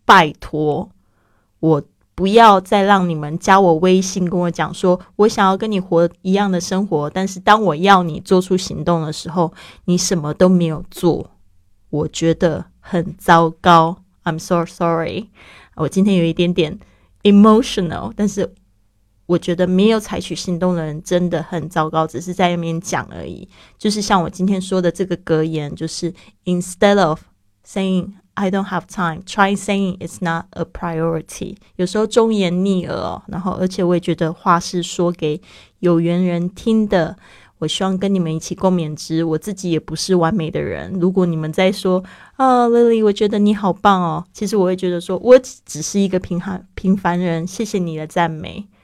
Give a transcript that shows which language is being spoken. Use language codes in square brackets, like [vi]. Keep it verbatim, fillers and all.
[zh] 拜托，我不要再让你们加我微信跟我讲说我想要跟你活一样的生活，但是当我要你做出行动的时候，你什么都没有做，我觉得很糟糕。 [en] I'm so sorry， [zh] 我今天有一点点 emotional， 但是我觉得没有采取行动的人真的很糟糕，只是在那边讲而已。就是像我今天说的这个格言，就是 [en] instead of saying I don't have time, try saying it's not a priority。 [zh] 有时候忠言逆耳、哦、然后而且我也觉得话是说给有缘人听的，我希望跟你们一起共勉之。我自己也不是完美的人，如果你们在说啊 Lily 我觉得你好棒哦，其实我会觉得说我只是一个平凡平凡人，谢谢你的赞美。